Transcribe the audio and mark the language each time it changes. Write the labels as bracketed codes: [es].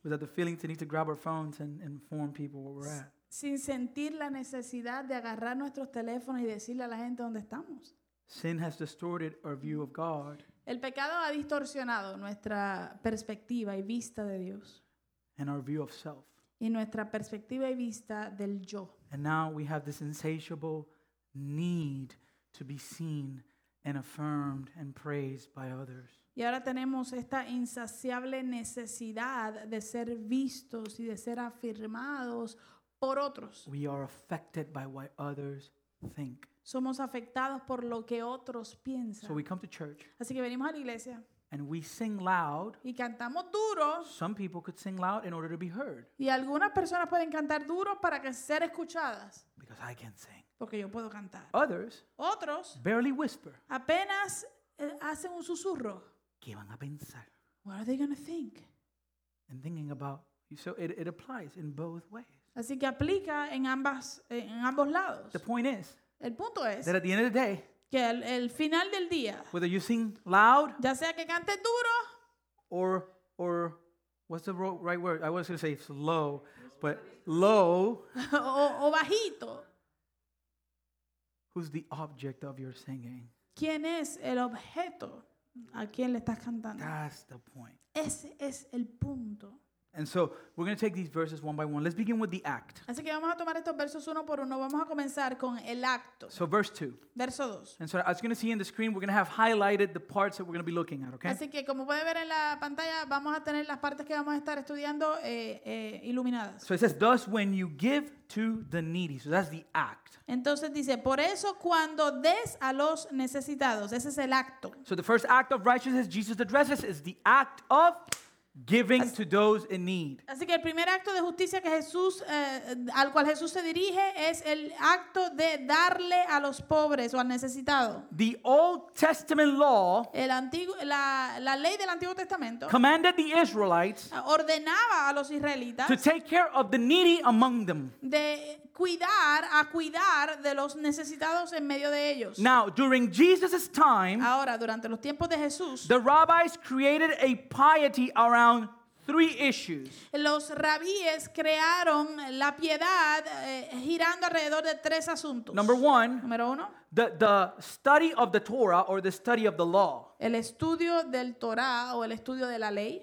[en] Without the feeling to need to grab our phones and inform people where we're at. [es] Sin sentir la necesidad de agarrar nuestros teléfonos y decirle a la gente dónde estamos. [en] Sin has distorted our view of God. [es] El pecado ha distorsionado nuestra perspectiva y vista de Dios. [en] And our view of self. [es] Y nuestra perspectiva y vista del yo. [en] And now we have this insatiable need to be seen and affirmed and praised by others. [es] Y ahora tenemos esta insaciable necesidad de ser vistos y de ser afirmados. [en] We are affected by what others think. [es] Somos afectados por lo que otros piensan. [en] So we come to church. [es] Así que venimos a la iglesia. [en] And we sing loud. [es] Y cantamos duro. [en] Some people could sing loud in order to be heard. [es] Y algunas personas pueden cantar duro para que ser escuchadas. [en] Because I can sing. [es] Porque yo puedo cantar. [en] Others. [es] Otros. [en] Barely whisper. [es] Apenas hacen un susurro. ¿Qué van a pensar? [en] What are they going to think? And thinking about. So it applies in both ways. [es] Así que aplica en ambos lados. [en] The point is, [es] el punto es [en] that at the end of the day, [es] que el final del día, [en] whether you sing loud, [es] ya sea que cantes duro, [en] or what's the right word? I was going to say slow, but low. [es] o bajito. [en] Who's the object of your singing? [es] ¿Quién es el objeto a quien le estás cantando? [en] That's the point. [es] Ese es el punto. [en] And so we're going to take these verses one by one. Let's begin with the act. [es] Así que vamos a tomar estos versos uno por uno. Vamos a comenzar con el acto. [en] So verse 2. [es] Verso 2. [en] And so as you're going to see in the screen, we're going to have highlighted the parts that we're going to be looking at, okay? [es] Así que como puede ver en la pantalla, vamos a tener las partes que vamos a estar estudiando iluminadas. [en] So it says, thus when you give to the needy. So that's the act. [es] Entonces dice, por eso cuando des a los necesitados. Ese es el acto. [en] So the first act of righteousness Jesus addresses is the act of giving to those in need. [es] Así que el primer acto de justicia que Jesús al cual Jesús se dirige es el acto de darle a los pobres o al necesitado. [en] The Old Testament law, [es] la ley del Antiguo Testamento, [en] commanded the Israelites, [es] ordenaba a los israelitas, [en] to take care of the needy among them. [es] De cuidar de los necesitados en medio de ellos. [en] Now, during Jesus's time, [es] ahora durante los tiempos de Jesús, [en] the rabbis created a piety around three issues. [es] Los rabíes crearon la piedad girando alrededor de tres asuntos. [en] Number one, [es] número uno, [en] the study of the Torah or the study of the law. [es] El estudio del Torah o el estudio de la ley.